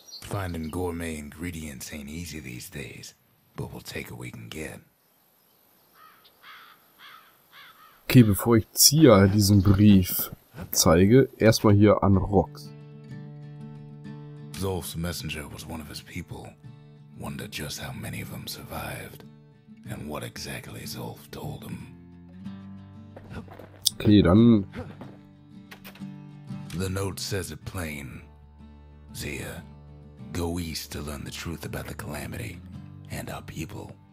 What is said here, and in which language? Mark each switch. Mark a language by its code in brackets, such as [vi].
[en] Finding gourmet ingredients ain't easy these days, but we'll take what we can get. [de] Okay, bevor ich Zia diesen Brief zeige, erstmal hier an Rox. [en] Zulf's messenger was one of his people. Wonder just how many of them survived and what exactly Zulf told them. [de] Okay, dann. [en] The note says it plain. Zia, go east to learn the truth about the calamity and our people.